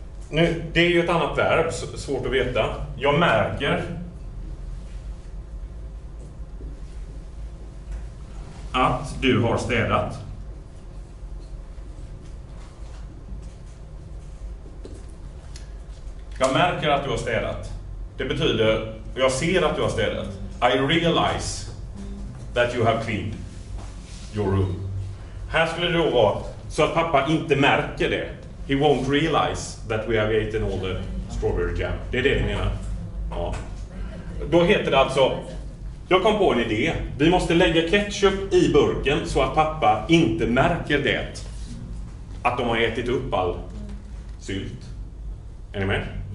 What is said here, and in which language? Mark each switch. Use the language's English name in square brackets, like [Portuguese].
[Swedish] Nu, det är ju ett annat verb, svårt att veta. Jag märker att du har städat. Jag märker att du har städat. Det betyder, jag ser att du har städat. [English] I realize that you have cleaned your room. [Swedish] Här skulle det då vara så att pappa inte märker det. [English] He won't realize that we have eaten all the strawberry jam. [Swedish] Det är det ni menar. Ja. Då heter det alltså, jag kom på en idé. Vi måste lägga ketchup i burken så att pappa inte märker det. Att de har ätit upp all sylt. Är ni med?